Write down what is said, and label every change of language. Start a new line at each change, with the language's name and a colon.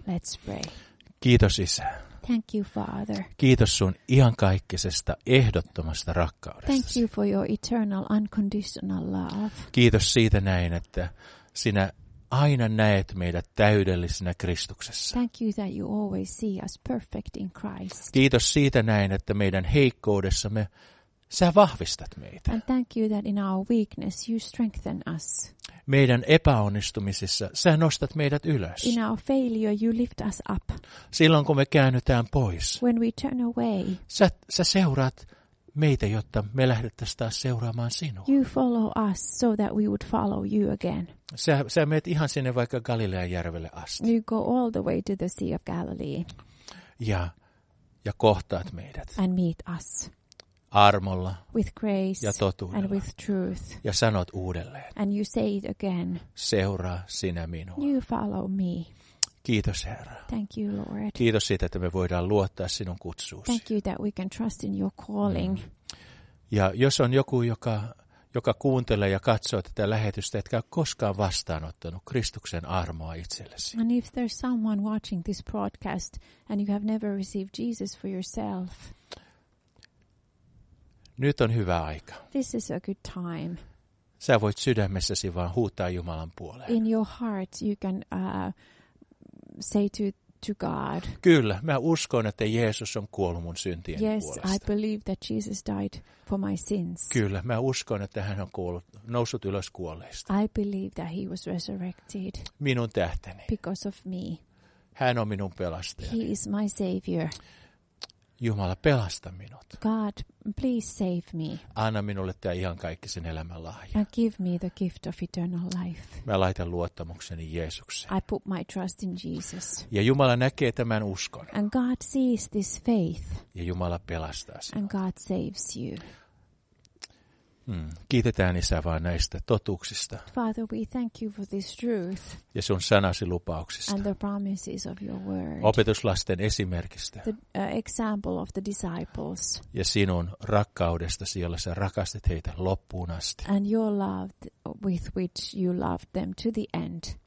English: Let's pray.
Finnish: Kiitos Isä.
English: Thank you Father.
Finnish: Kiitos sun iankaikkisesta ehdottomasta rakkaudesta.
English: Thank you for your eternal unconditional love.
Finnish: Kiitos siitä näin, että sinä aina näet meidät täydellisinä Kristuksessa.
English: Thank you that you always see us perfect in Christ.
Finnish: Kiitos siitä näin, että meidän heikkoudessamme sä vahvistat meitä.
English: And thank you that in our weakness you strengthen us.
Finnish: Meidän epäonnistumisissa sä nostat meidät ylös.
English: In our failure you lift us up.
Finnish: Silloin kun me käännytään pois.
English: When we turn away.
Finnish: Sä seuraat meitä, jotta me lähdettäisiin taas seuraamaan sinua.
English: You follow us so that we would follow you again.
Finnish: Sä meet ihan sinne vaikka Galilean järvelle asti.
English: You go all the way to the Sea of Galilee.
Finnish: Ja kohtaat meidät.
English: And meet us.
Finnish: Armolla.
English: With grace.
Finnish: Ja totuudella.
English: And with truth.
Finnish: Ja sanot uudelleen.
English: And you say it again.
Finnish: Seuraa sinä minua.
English: You follow me.
Finnish: Kiitos Herra.
English: Thank you Lord.
Finnish: Kiitos siitä, että me voidaan luottaa sinun kutsuusi.
English: Thank you that we can trust in your calling.
Finnish: Ja jos on joku, joka kuuntelee ja katsoo tätä lähetystä, etkä koskaan vastaanottanut Kristuksen armoa itsellesi.
English: And if there's someone watching this broadcast and you have never received Jesus for yourself.
Finnish: Nyt on hyvä aika.
English: This is a good time.
Finnish: Sä voit sydämessäsi vaan huutaa Jumalan puoleen.
English: In your heart you can say to God.
Finnish: Kyllä, mä uskon, että Jeesus on kuollut mun syntien puolesta.
English: Yes, I believe that Jesus died for my sins.
Finnish: Kyllä, mä uskon, että hän on noussut ylös kuolleista.
English: I believe that he was resurrected.
Finnish: Minun tähteni.
English: Because of me.
Finnish: Hän on minun pelastajani.
English: He is my savior.
Finnish: Jumala, pelasta minut.
English: God, please save me.
Finnish: Anna minulle tämä iankaikkisen elämän lahja.
English: And give me the gift of eternal life.
Finnish: Mä laitan luottamukseni Jeesukseen.
English: I put my trust in Jesus.
Finnish: Ja Jumala näkee tämän uskon.
English: And God sees this faith.
Finnish: Ja Jumala pelastaa sinut.
English: And God saves you.
Finnish: Kiitetään Isä vaan näistä totuuksista.
English: Father, we thank you for this truth.
Finnish: Ja sun sanasi lupauksista.
English: And the promises of your word.
Finnish: Opetuslasten esimerkistä.
English: The example of the disciples.
Finnish: Ja sinun rakkaudesta, jolla sä rakastit heitä loppuun asti.
English: And your love with which you loved them to the end.